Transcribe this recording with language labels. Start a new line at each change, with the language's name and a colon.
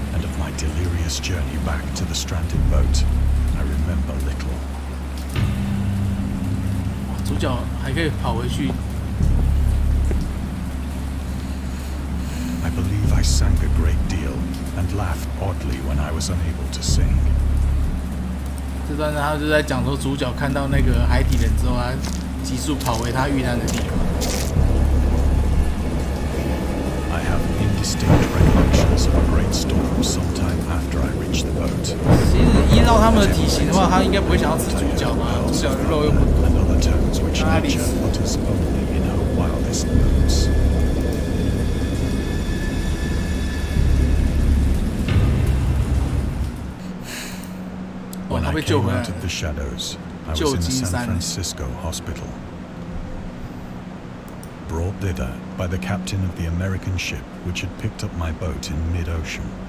English: And of my delirious journey back to the stranded boat, I remember little.
Chinese: 哇，主角还可以跑回去。
English: I believe I sang a great deal and laughed oddly when I was unable to sing.
Chinese: 这段他就在讲说，主角看到那个海底人之后，他急速跑回他遇难的地方。
English: I have indistinct recollections of a great storm sometime after I reached the boat.
Chinese: 其实依照他们的体型的话，他应该不会想要吃主角嘛，主角的肉又不多。
English: Another terms which nature utters only in her wildest moods.
Chinese: 被救回来了，旧金山
English: San Francisco Hospital, brought thither by the captain of the American ship which had picked up my boat in mid-ocean.